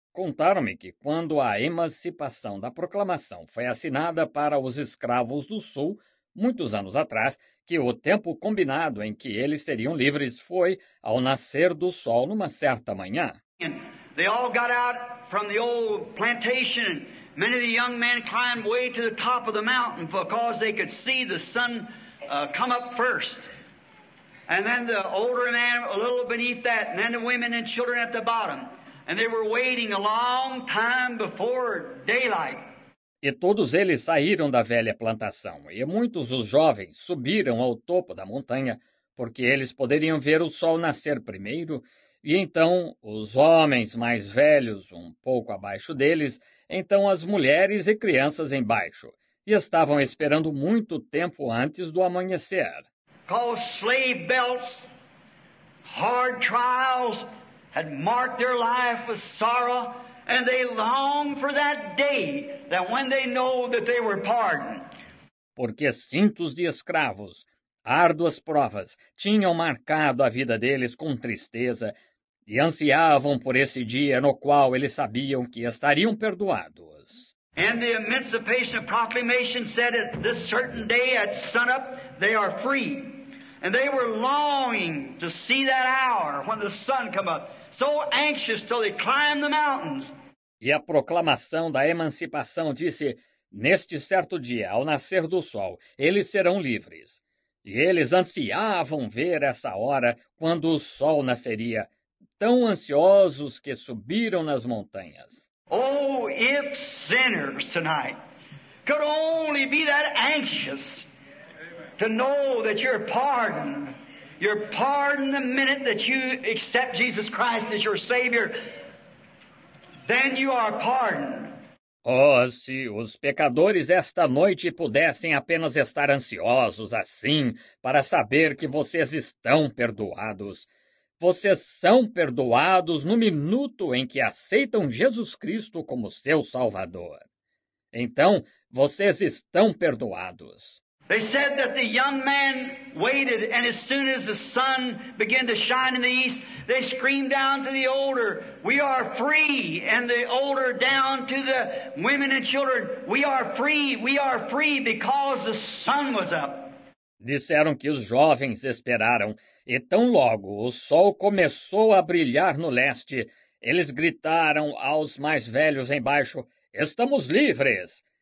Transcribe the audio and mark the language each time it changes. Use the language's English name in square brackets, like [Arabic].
[Portuguese] Contaram-me que quando a emancipação da proclamação foi assinada para os escravos do Sul, muitos anos atrás, que o tempo combinado em que eles seriam livres foi ao nascer do sol numa certa manhã. [English] And they all got out from the old plantation, and many of the young men climbed way to the top of the mountain because they could see the sun come up first. And then the older man a little beneath that, and then the women and children at the bottom. And they were waiting a long time before daylight. [Portuguese] E todos eles saíram da velha plantação, e muitos os jovens subiram ao topo da montanha, porque eles poderiam ver o sol nascer primeiro, e então os homens mais velhos um pouco abaixo deles, então as mulheres e crianças embaixo, e estavam esperando muito tempo antes do amanhecer. [English] Called slave belts, hard trials had marked their life with sorrow. And they long for that day that when they know that they were pardoned. [Portuguese] Porque cintos de escravos, árduas provas, tinham marcado a vida deles com tristeza e ansiavam por esse dia no qual eles sabiam que estariam perdoados. [English] And the Emancipation Proclamation said at this certain day at sunup they are free. And they were longing to see that hour when the sun come up. So anxious till they climbed the mountains. [Portuguese] E a proclamação da emancipação disse, neste certo dia, ao nascer do sol, eles serão livres. E eles ansiavam ver essa hora quando o sol nasceria, tão ansiosos que subiram nas montanhas. [English] Oh, if sinners tonight could only be that anxious to know that you're pardoned. You're pardoned the minute that you accept Jesus Christ as your Savior. Then you are pardoned. [Portuguese] Oh, se os pecadores esta noite pudessem apenas estar ansiosos assim para saber que vocês estão perdoados. Vocês são perdoados no minuto em que aceitam Jesus Cristo como seu Salvador. Então, vocês estão perdoados. [English] They said that the young man waited, and as soon as the sun began to shine in the east, they screamed down to the older, "We are free!" And the older down to the women and children, we are free, because the sun was up. [Portuguese] Disseram que os jovens esperaram, e tão logo o sol começou a brilhar no leste, eles gritaram aos mais velhos embaixo, "Estamos livres!"